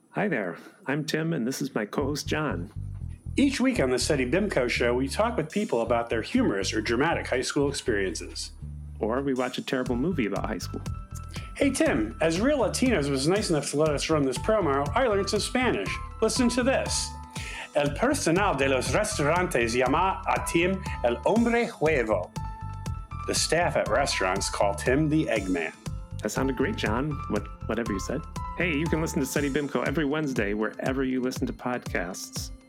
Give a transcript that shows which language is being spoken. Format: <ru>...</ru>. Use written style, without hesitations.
<en>Hi there, I'm Tim, and this is my co-host, John. Each week on the SETI BIMCO show, we talk with people about their humorous or dramatic high school experiences. Or we watch a terrible movie about high school. Hey Tim, as Real Latinos was nice enough to let us run this promo, I learned some Spanish. Listen to this.</en> <es>El personal de los restaurantes llama a Tim el hombre huevo.</es> <en>The staff at restaurants call Tim the Eggman. That sounded great, John, whatever you said. Hey, you can listen to SETI BIMCO every Wednesday wherever you listen to podcasts.</en>